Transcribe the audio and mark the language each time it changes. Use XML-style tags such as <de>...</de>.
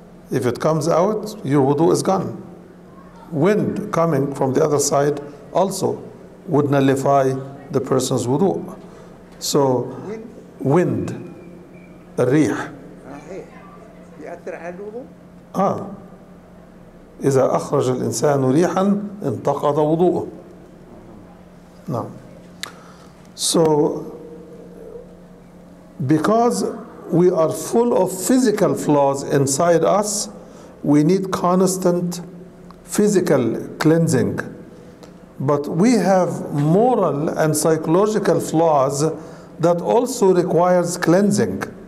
<en>If it comes out, your wudu is gone. Wind coming from the other side also would nullify the person's wudu. So wind, الريح.</en> <ar>يأثر على الوضوء؟ إذا أخرج الإنسان ريحاً انتقض وضوءه. نعم.</ar> <en>So because we are full of physical flaws inside us, we need constant physical cleansing. But we have moral and psychological flaws that also requires cleansing.</en>